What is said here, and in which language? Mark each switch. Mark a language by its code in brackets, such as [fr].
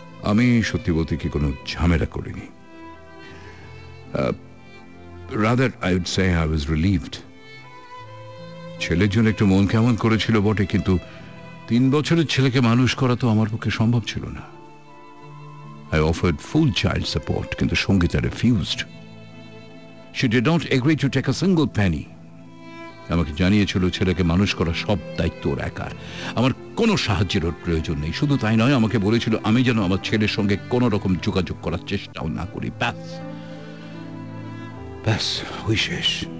[bn] আমি সত্যি বলতে কি কোনো ঝামেলা করিনি, [en] rather I would say I was relieved. [bn] ছেলের জন্য একটু মন কেমন করেছিল বটে, কিন্তু 3 বছরের ছেলেকে মানুষ করা তো আমার পক্ষে সম্ভব ছিল না। [en] I offered full child support, [bn] কিন্তু [en] Sangeeta refused. She did not agree to take a single penny. [bn] আমাকে জানিয়েছিল ছেলেকে মানুষ করা সব দায়িত্ব ওর একার, আমার কোনো সাহায্যের প্রয়োজন নেই। শুধু তাই নয়, আমাকে বলেছিল আমি যেন আমার ছেলের সঙ্গে কোনো রকম যোগাযোগ করার চেষ্টাও না করি। ব্যাস ব্যাস, হই শেষ।